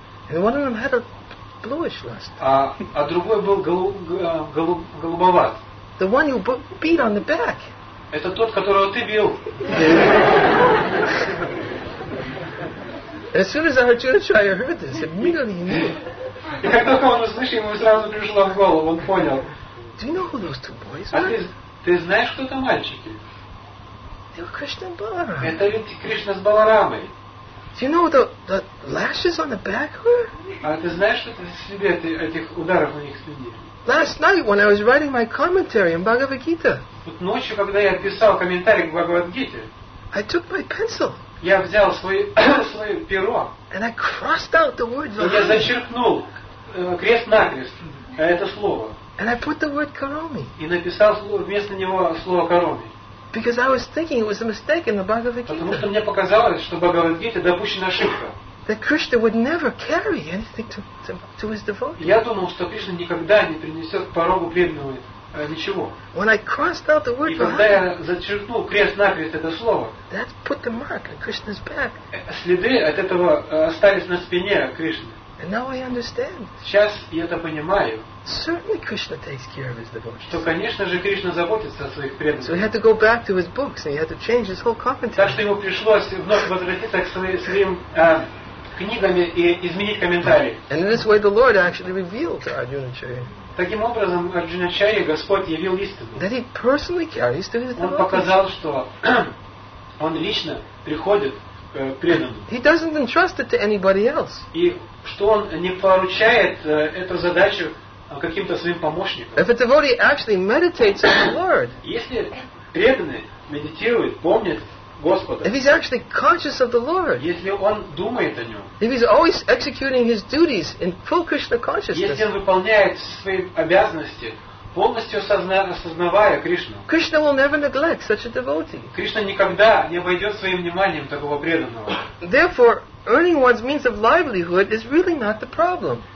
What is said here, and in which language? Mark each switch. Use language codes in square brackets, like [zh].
[en] And one of them had a bluish luster. [ru] А другой был голубоват. [en] The one you beat on the back. [ru] Это тот, которого ты бил. [en] As soon as Ajuna-chari heard this, immediately he knew. [ru] И как только он услышал, ему сразу пришло в голову, он понял. [en] Do you know who those two boys are? [ru] Ты знаешь, кто это мальчики? [en] They were Krishna and Balarama. [ru] Это ведь Кришна с Баларамой. [en] Do you know the lashes on the back were? [ru] А ты знаешь, что это себе этих ударов на них спине? [en] Last night when I was writing my commentary in Bhagavad Gita. [ru] Вот ночью, когда я писал комментарий к Бхагавад Гите. [en] I took my pencil. [ru] Я взял свое перо. [en] And I crossed out the words. [ru] Я зачеркнул крест-накрест это слово. [en] And I put the word Karomi. [ru] И написал вместо него слово Karomi. [en] Because I was thinking it was a mistake in the Bhagavad Gita. [ru] Потому что мне показалось, что Бхагавад Гите допущена ошибка. [en] That Krishna would never carry anything to his devotees. [ru] Я думал, что Кришна никогда не принесет к порогу преданного ничего. [en] When I crossed out the word, [ru] и когда я зачеркнул крест-накрест это слово, [en] that put the mark on Krishna's back. [ru] Следы от этого остались на спине Кришны. [en] And now I understand. [ru] Сейчас я это понимаю. [en] Certainly Krishna takes care of his devotees. [ru] Что, конечно же, Кришна заботится о своих преданных. [en] So he had to go back to his books and he had to change his whole commentary. [ru] Так что ему пришлось вновь возвратиться к своим книгам и изменить комментарий. [en] And in this way the Lord actually revealed to Arjuna Charya. [ru] Таким образом, Арджуна Чарья, Господь явил истину. [en] That he personally carries to his devotees. [ru] Он показал, что он лично приходит к преданным. [en] He doesn't entrust it to anybody else. [ru] И что он не поручает эту задачу каким-то своим помощникам. [en] If a devotee actually meditates on the Lord. [ru] Если преданный медитирует, помнит Господа. [en] If he's actually conscious of the Lord. [ru] Если он думает о нем. [en] If he's always executing his duties in full Krishna consciousness. [ru] Если он выполняет свои обязанности, полностью осознавая Кришну. [en] Krishna will never neglect such a devotee. [ru] Кришна никогда не обойдет своим вниманием такого преданного. [en] Therefore, earning one's means of livelihood is really not the problem.